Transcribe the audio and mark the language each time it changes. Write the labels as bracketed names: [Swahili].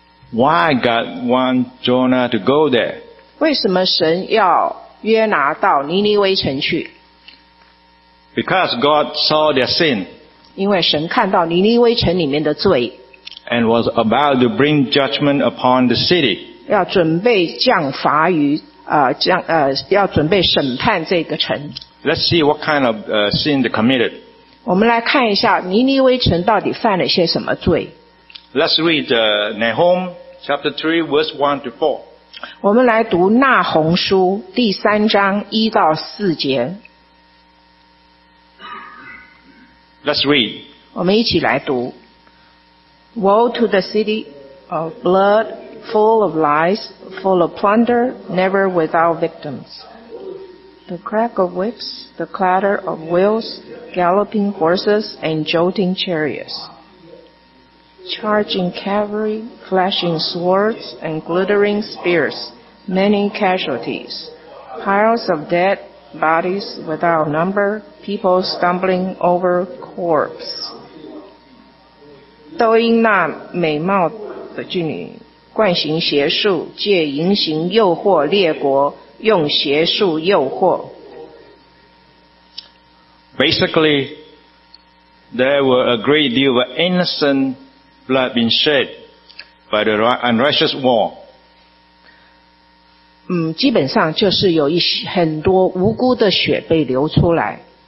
[English] Why God want Jonah to go there? [Chinese] 为什么神要约拿到尼尼微城去？ [English] Because God saw their sin. [Chinese] 因为神看到尼尼微城里面的罪。 [English] And was about to bring judgment upon the city. [Chinese] 要准备降罚于要准备审判这个城。 [English] Let's see what kind of sin they committed. [Chinese] 我们来看一下尼尼微城到底犯了些什么罪。 [English] Let's read Nahum chapter 3 verse 1 to 4. [Chinese] 我们来读纳鸿书第三章一到四节。 [English] Let's read. [Chinese] 我们一起来读。 [English] Woe to the city of blood, full of lies, full of plunder, never without victims. The crack of whips, the clatter of wheels, galloping horses, and jolting chariots. Charging cavalry, flashing swords, and glittering spears, many casualties. Piles of dead bodies without number, people stumbling over corpses. [Chinese] 都因那美貌的妓女，惯行邪术，借淫行诱惑列国。用邪术诱惑。 [English] Basically, there were a great deal of innocent blood being shed by the unrighteous war. [Chinese] 基本上就是有很多无辜的血被流出来。